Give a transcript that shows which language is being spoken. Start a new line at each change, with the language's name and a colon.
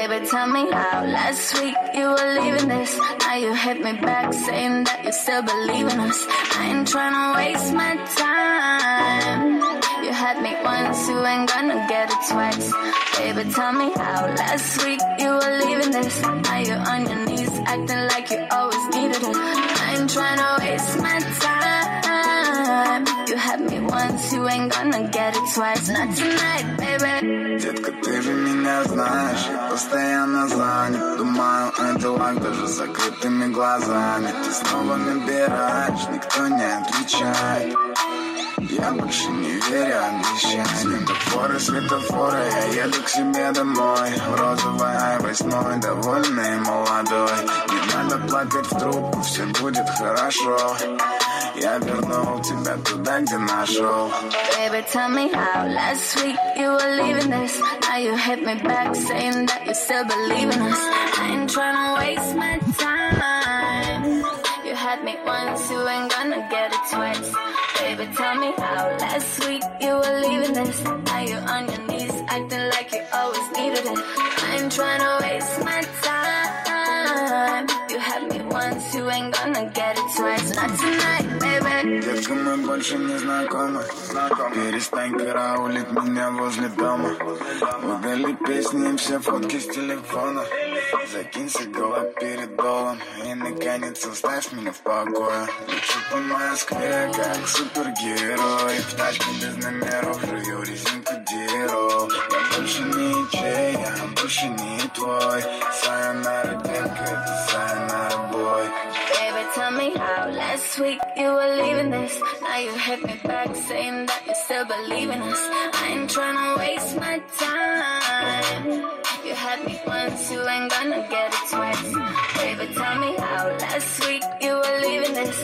English: tell me how last week you were leaving this. Now you hit me back saying that you still believe in us. I ain't trying to waste my time. You had me once, you ain't gonna get it twice. Baby, tell me how last week you were leaving this. Now you on your knees acting like you always needed it. I ain't trying to waste my time. You had me once, you ain't gonna get it twice. Not tonight, baby.
Russian: Детка, ты же меня знаешь, я постоянно занят. Думаю, это лак даже с закрытыми глазами. Ты снова набираешь, никто не отвечает. Я больше не верю обещаниям. Светофоры, светофоры, я еду к себе домой. В розовой Ай-8, довольный молодой. Не надо плакать в трубку, все будет хорошо. Я вернул тебя туда, где нашел.
English: Baby, tell me how last week you were leaving this. Now you hit me back saying that you still believe in us. I ain't trying to waste my time. You had me once, you ain't gonna get it twice. Baby, tell me how last week you were leaving this. Now you on your knees acting like you always needed it. I ain't trying to waste my time. You had me once, you ain't gonna get it twice. Not tonight.
Russian: Детка, мы больше не знакомы. Перестань караулить меня возле дома. Удали песни и все фотки с телефона. Закинь сигала перед долом. И наконец оставь меня в покое. Лечу по Москве, как супергерой. В тачке без номеров, жую резинку Диро. Я больше не чей, я больше не твой. Сайонара, детка, это сайонара, бой.
English: Tell me how last week you were leaving this. Now you hit me back saying that you still believe in us. I ain't trying to waste my time. You had me once, you ain't gonna get it twice. Baby, tell me how last week you were leaving this.